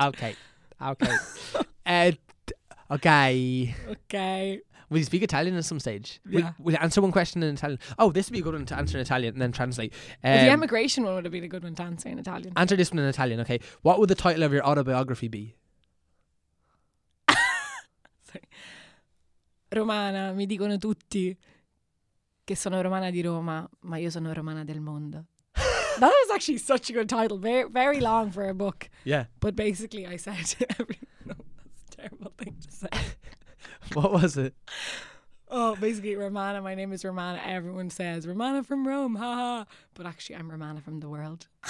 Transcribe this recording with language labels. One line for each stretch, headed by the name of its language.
English: Okay. Okay. Okay. Okay. Will you speak Italian at some stage? Yeah. Will you answer one question in Italian? Oh, this would be a good one to answer in Italian and then translate. The emigration one would have been a good one to answer in Italian. Answer this one in Italian, okay. What would the title of your autobiography be? Sorry.
Italian: Romana, mi dicono tutti che sono romana di Roma, ma io sono romana del mondo.
English: That was actually such a good title. Very, very long for a book. Yeah. But basically I said, no, that's a terrible thing to say. What was it? Oh, basically, Romana. My name is Romana. Everyone says, Romana from Rome, ha ha. But actually, I'm Romana from the world.